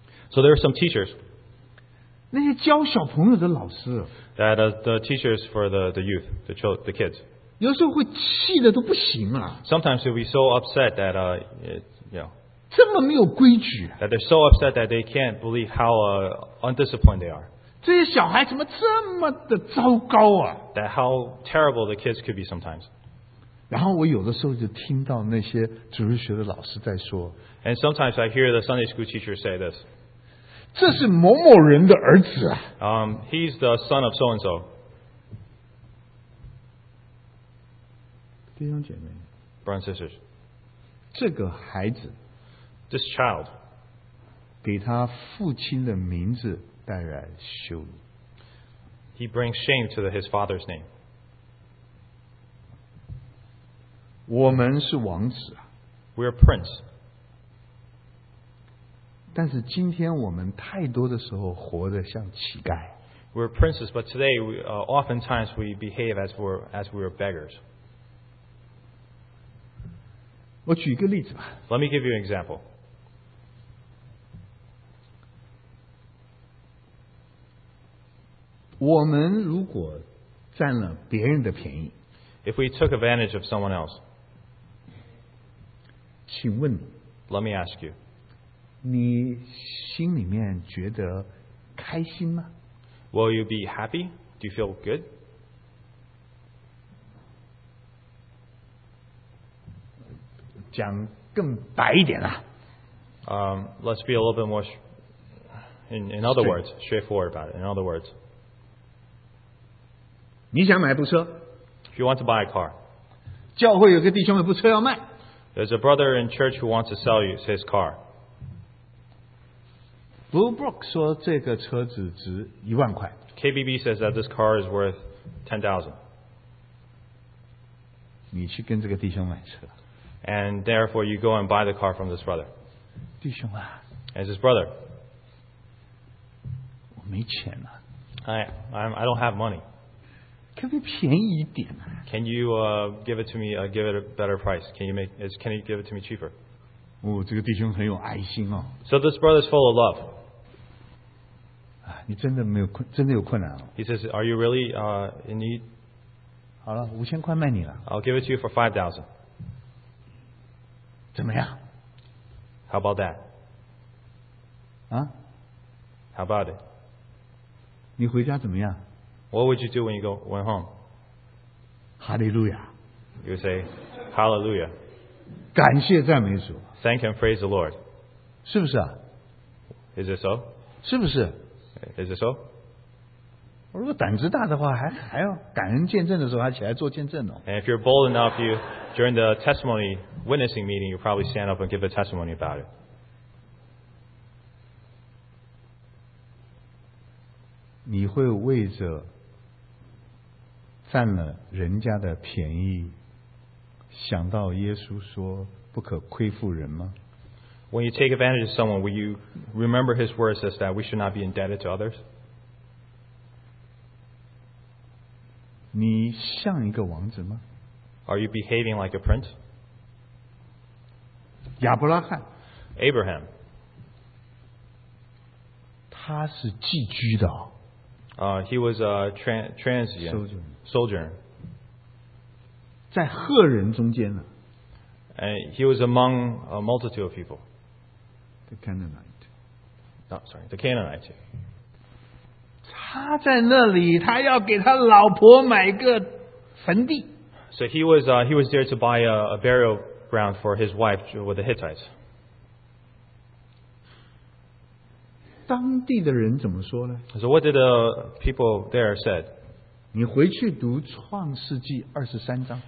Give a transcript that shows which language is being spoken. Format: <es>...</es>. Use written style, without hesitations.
<en>So there are some teachers.</en> <zh>那些教小朋友的老师。</zh> <en>That are the teachers for the youth, the kids.</en> <zh>有时候会气得都不行了。</zh> <en>Sometimes they'll be so upset that,</en> <zh>这么没有规矩。</zh> <en>That they're so upset that they can't believe how undisciplined they are.</en> <zh>这些小孩怎么这么的糟糕啊。</zh> <en>That how terrible the kids could be sometimes.</en> <zh>然后我有的时候就听到那些主日学的老师在说</zh> <en>And sometimes I hear the Sunday school teacher say this</en> <zh>这是某某人的儿子啊、</zh> <en>He's the son of so-and-so</en> <zh>弟兄姐妹</zh> <en>Brothers and sisters</en> <zh>这个孩子</zh> <en>This child</en> <zh>给他父亲的名字带来羞辱</zh> <en>He brings shame to his father's name.</en> <zh>我们是王子,</zh> <en>we are prince.</en> <zh>但是今天我们太多的时候活得像乞丐。</zh> <en>We're princes, but today, oftentimes, we behave as we're beggars.</en> <zh>我举一个例子吧。</zh> <en>Let me give you an example.</en> <zh>我们如果占了别人的便宜,</zh> <en>if we took advantage of someone else,</en> <zh>请问,</zh> <en>let me ask you,</en> <zh>你心里面觉得开心吗?</zh> <en>Will you be happy? Do you feel good?</en> <zh>讲更白一点啊,</zh> <en>let's be a little bit more straightforward about it. In other words,</en> <zh>你想买部车?</zh> <en>If you want to buy a car,</en> <zh>教会有个弟兄有部车要卖,</zh> <en>there's a brother in church who wants to sell you his car.</en> <zh>Blue Brook 说这个车子值一万块。</zh> <en>KBB says that this car is worth 10,000.</en> <zh>你去跟这个弟兄买车。</zh> <en>And therefore you go and buy the car from this brother.</en> <zh>弟兄啊,</zh> <en>as his brother,</en> <zh>我没钱了。</zh> <en>I don't have money. Can you give it to me? Give it a better price. Can you give it to me cheaper?</en> <zh>哦，这个弟兄很有爱心哦。</zh> <en>So this brother is full of love.</en> <zh>啊，你真的没有困，真的有困难哦。</zh> <en>He says, "Are you really in need?"</en> <zh>好了，5,000块卖你了。</zh> <en>I'll give it to you for 5,000.</en> <zh>怎么样？</zh> <en>How about that?</en> <zh>啊？</zh> <en>How about it?</en> <zh>你回家怎么样？</zh> <en>What would you do when you go went home? Hallelujah. You would say, Hallelujah.</en> <zh>感谢赞美主.</zh> <en>Thank and praise the Lord.</en> <zh>是不是啊?</zh> <en>Is it so?</en> <zh>是不是?</zh> <en>Is it so?</en> <zh>如果胆子大的话, 还要感恩见证的时候,</zh> <en>and if you're bold enough, you during the testimony witnessing meeting, you'll probably stand up and give a testimony about it.</en> <zh>你会为着 占了人家的便宜, 想到耶稣说不可亏负人吗?</zh> <en>When you take advantage of someone, will you remember his words as that we should not be indebted to others?</en> <zh>你像一个王子吗?</zh> <en>Are you behaving like a prince?</en> <zh>亚伯拉罕,</zh> <en>Abraham,</en> <zh>他是寄居的哦。</zh> <en>He was a transient sojourner.</en> <zh>在赫人中间呢?</zh> <en>He was among a multitude of people. The Canaanite. No, sorry, the Canaanite.</en> <zh>他在那里, 他要给他老婆买个坟地。</zh> <en>So he was there to buy a burial ground for his wife with the Hittites.</en> <zh>当地的人怎么说呢?</zh> <en>So what did the people there said?</en> <zh>你回去读创世纪23章。</zh>